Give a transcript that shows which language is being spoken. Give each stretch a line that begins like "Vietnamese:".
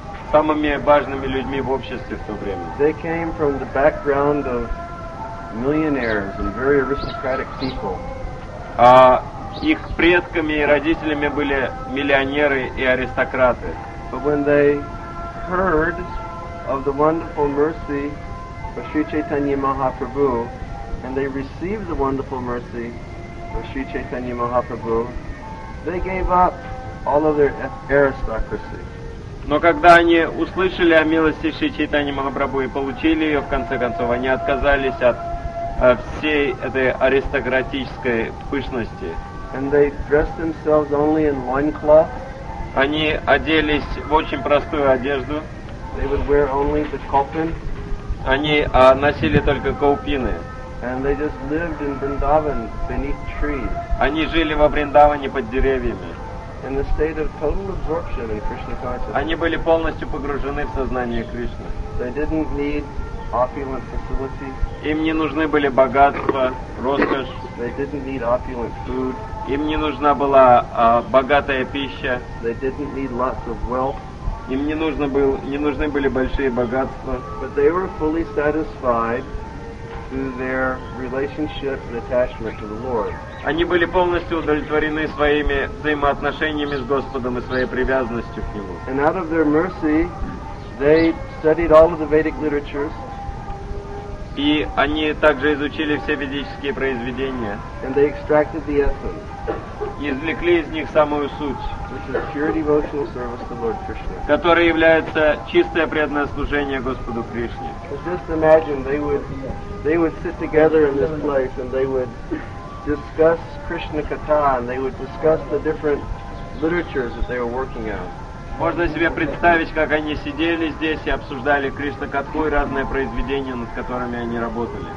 Russian: самыми важными людьми в обществе в то время.
English: They came from the background of millionaires and very aristocratic people.
Russian: Их предками и родителями были миллионеры и аристократы.
English: But when they heard of the wonderful mercy of Sri Chaitanya Mahaprabhu, and they received the wonderful mercy of Sri Chaitanya Mahaprabhu, they gave up all of their aristocracy.
Russian: Но когда они услышали о милости Шри Чайтаньи Махапрабху и получили ее, в конце концов, они отказались от всей этой аристократической пышности.
English: And they dressed themselves only in loincloth.
Russian: Они оделись в очень простую одежду.
English: They would wear only the kaupin.
Russian: Они носили только каупины.
English: And they just lived in Vrindavan beneath trees.
Russian: Они жили во Вриндаване под деревьями.
English: In the state of total absorption in Krishna consciousness.
Russian: Они были полностью погружены в сознание Кришны.
English: They didn't need opulent facilities.
Russian: Им не нужны были богатства, роскошь.
English: They didn't need opulent food.
Russian: Им не нужна была богатая пища.
English: They didn't need lots of wealth.
Russian: Им не нужны были большие богатства.
English: But they were fully satisfied through their relationship and attachment to the Lord.
Russian: Они были полностью удовлетворены своими взаимоотношениями с Господом и своей привязанностью к Нему.
English: And out of their mercy, they studied all of the Vedic literatures.
Russian: И они также изучили все ведические произведения.
English: And they extracted the essence.
Russian: И извлекли из них самую суть.
English: Which is pure devotional service to Lord Krishna.
Russian: Которая является чистое преданное служение Господу Кришне.
English: Just imagine they would sit together in this place and they would discuss Krishna Katha, and they would discuss the different literatures that they were working on.
Russian: Можно себе представить, как они сидели здесь и обсуждали Кришна Катху и разные произведения, над которыми они работали.